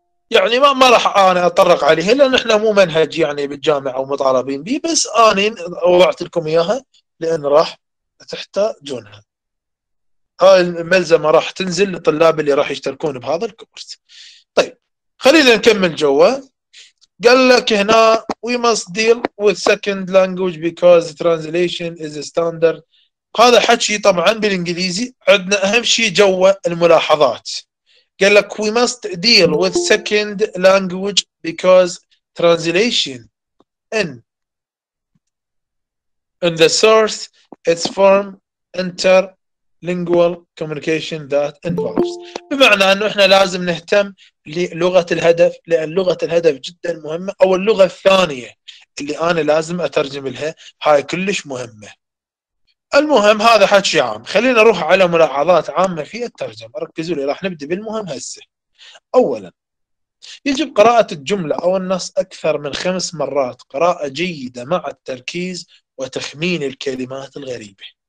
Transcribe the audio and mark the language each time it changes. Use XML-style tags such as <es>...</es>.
<ar>يعني ما راح أنا أطرق عليه لأن إحنا مو منهج يعني بالجامعة ومطالبين به، بس أنا وضعت لكم إياها لأن راح تحتاجونها. هاي الملزمة راح تنزل للطلاب اللي راح يشتركون بهذا الكورس. طيب خلينا نكمل جوا. قال لك</ar> <en>هنا we must deal with second language because translation is a standard.</en> <ar>هذا حكي طبعا بالإنجليزي. عندنا أهم شيء جوا الملاحظات. قال لك</ar> <en>we must deal with second language because translation in the source its form interlingual communication that involves.</en> <ar>بمعنى أنه إحنا لازم نهتم للغة الهدف، لأن لغة الهدف جدا مهمة، أو اللغة الثانية اللي أنا لازم أترجم لها، هاي كلش مهمة. المهم هذا حكي عام. خلينا نروح على ملاحظات عامة في الترجمة. ركزوا لي، راح نبدأ بالمهم هسه. أولا يجب قراءة الجملة أو النص أكثر من 5 مرات، قراءة جيدة مع التركيز وتخمين الكلمات الغريبة.</ar>